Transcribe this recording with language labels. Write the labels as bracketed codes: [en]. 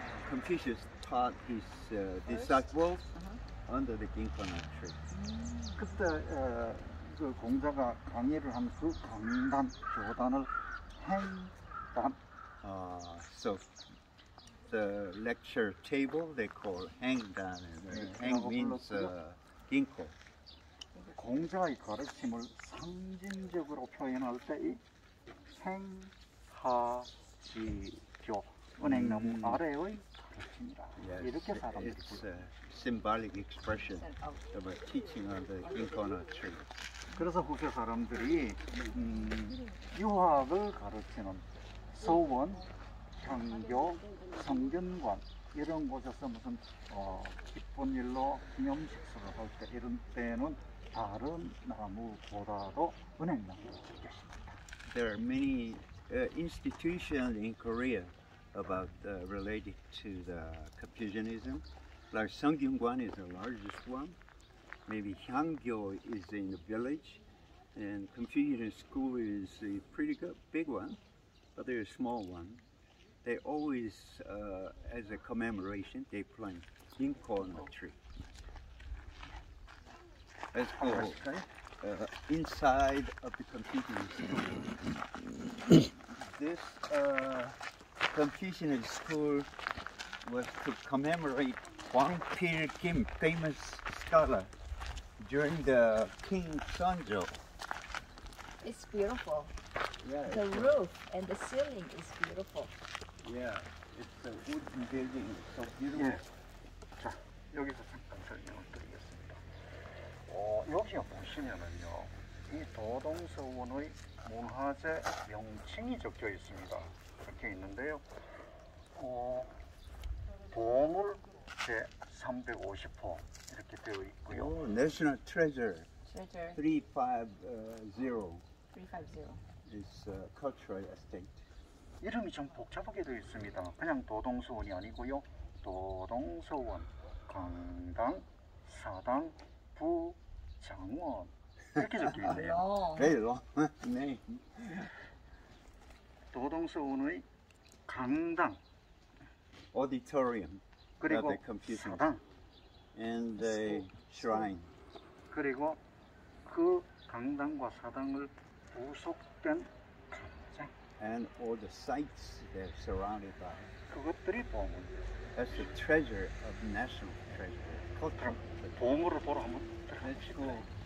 [en] Confucius taught his disciples under the ginkgo tree. [ko] 그때 그 공자가 강의를 한 그 강단 교단을 행단. [en] So the lecture table they call hangdan. Hang means ginkgo. [ko] 공자의 가르침을 상징적으로 표현할 때 이 생하지교 은행나무 아래의 가르침이라 [en] yes, [ko] 이렇게 사람들이 [en] it's a symbolic expression of a teaching on the ginkgo tree. [ko] 그래서 후세 사람들이 유학을 가르치는 서원, 향교, 성균관 이런 곳에서 무슨 기쁜 일로 기념식수를 할 때 이런 때에는 다른 나무보다도 은행나무를 즐겼습니다. [en] There are many institutions in Korea about related to the Confucianism. Like Seonggyeonggwan is the largest one. Maybe Hyanggyo is in the village. And Confucian school is a pretty good, big one, but they're a small one. They always, as a commemoration, they plant ginkgo tree. Let's go inside of the Confucian school. This Confucian school was to commemorate Hwang Pil Kim, famous scholar, during the King Sunjo. It's beautiful. Yeah, the roof and the ceiling is beautiful. Yeah, it's a wooden building. It's so beautiful. Yeah. [ko] 자, 여기서 잠깐 설명을 드리겠습니다. 여기 보시면은요, 이 도동서원의 문화재 명칭이 적혀 있습니다. 이렇게 있는데요. 보물 제 350호 이렇게 되어 있고요. [en] Oh, National Treasure. Treasure. 350. 350. It's a cultural estate. [ko] 이름이 좀 복잡하게 되어 있습니다. 그냥 도동서원이 아니고요. 도동서원, 강당, 사당, 부, 장원. 이렇게 적혀 있네요. [en] Very long name. [ko] 도동서원의 강당. [en] Auditorium. [ko] 그리고 [en] the Confucian [ko] saddang. [en] And the shrine. [ko] 그리고 그 강당과 사당을 부속된 강장. [en] And all the sites they're surrounded by. [ko] 그것들이 보물. [en] That's the treasure of national treasure. [ko] 그럼 보물을 보러 한번 들어가시고.